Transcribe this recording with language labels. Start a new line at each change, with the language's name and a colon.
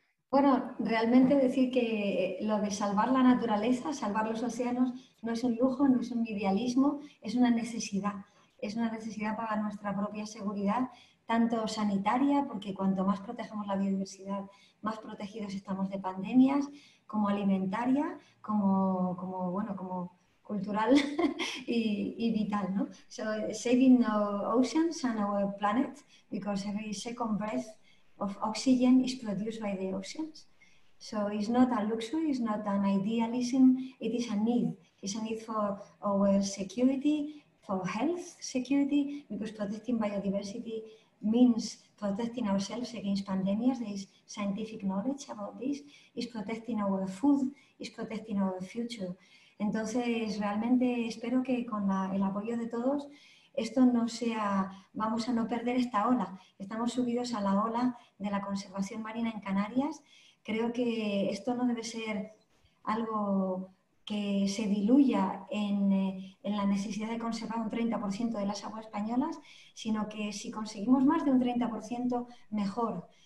Spanish: Bueno, realmente decir que lo de salvar la naturaleza, salvar los océanos, no es un lujo, no es un idealismo, es una necesidad. Es una necesidad para nuestra propia seguridad, tanto sanitaria, porque cuanto más protegemos la biodiversidad, más protegidos estamos de pandemias, como alimentaria, como cultural y vital, ¿no?
English: So, saving our oceans and our planet, because every second breath of oxygen is produced by the oceans. So it's not a luxury, it's not an idealism, it is a need. It's a need for our security, for health security, because protecting biodiversity means protecting ourselves against pandemias. There is scientific knowledge about this. It's protecting our food, it's protecting our future.
Spanish: Entonces, realmente espero que con el apoyo de todos, esto no sea, vamos a no perder esta ola. Estamos subidos a la ola de la conservación marina en Canarias. Creo que esto no debe ser algo que se diluya en la necesidad de conservar un 30% de las aguas españolas, sino que si conseguimos más de un 30%, mejor.